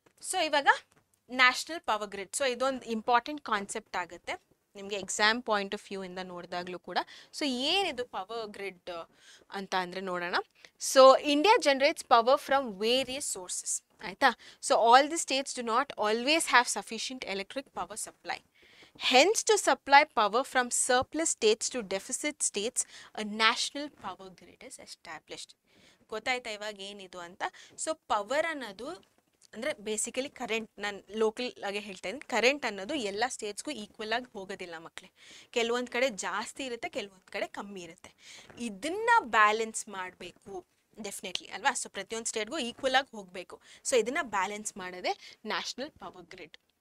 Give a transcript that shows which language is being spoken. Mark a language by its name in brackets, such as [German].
[Kannada] So ಇವಾಗ national power grid. So ಇದೊಂದು important concept ಆಗುತ್ತೆ ನಿಮಗೆ ಎಕ್ಸಾಮ್ ಪಾಯಿಂಟ್ ಆಫ್ ವ್ಯೂ ಇಂದ ನೋಡಿದಾಗಲೂ ಕೂಡ. ಸೊ ಏನಿದು ಪವರ್ ಗ್ರಿಡ್ ಅಂತ ಅಂದರೆ ನೋಡೋಣ. So [English] India generates power from various sources, [Kannada] ಆಯಿತಾ? [English] So all the states do not always have sufficient electric power supply. Hence, to supply power from surplus states to deficit states, a national power grid is established. [Kannada] ಗೊತ್ತಾಯ್ತಾ ಇವಾಗ ಏನಿದು ಅಂತ? So power ಅನ್ನೋದು ಅಂದರೆ basically current. ನಾನು local ಆಗಿ ಹೇಳ್ತಾ ಇದ್ದೀನಿ, ಕರೆಂಟ್ ಅನ್ನೋದು ಎಲ್ಲ ಸ್ಟೇಟ್ಸ್ಗೂ ಈಕ್ವಲ್ ಆಗಿ ಹೋಗೋದಿಲ್ಲ ಮಕ್ಕಳೇ. ಕೆಲವೊಂದು ಕಡೆ ಜಾಸ್ತಿ ಇರುತ್ತೆ, ಕೆಲವೊಂದು ಕಡೆ ಕಮ್ಮಿ ಇರುತ್ತೆ. ಇದನ್ನು ಬ್ಯಾಲೆನ್ಸ್ ಮಾಡಬೇಕು ಡೆಫಿನೆಟ್ಲಿ ಅಲ್ವಾ? ಸೊ ಪ್ರತಿಯೊಂದು ಸ್ಟೇಟ್ಗೂ ಈಕ್ವಲ್ ಆಗಿ ಹೋಗಬೇಕು. ಸೊ ಇದನ್ನು ಬ್ಯಾಲೆನ್ಸ್ ಮಾಡೋದೇ ನ್ಯಾಷನಲ್ ಪವರ್ ಗ್ರಿಡ್,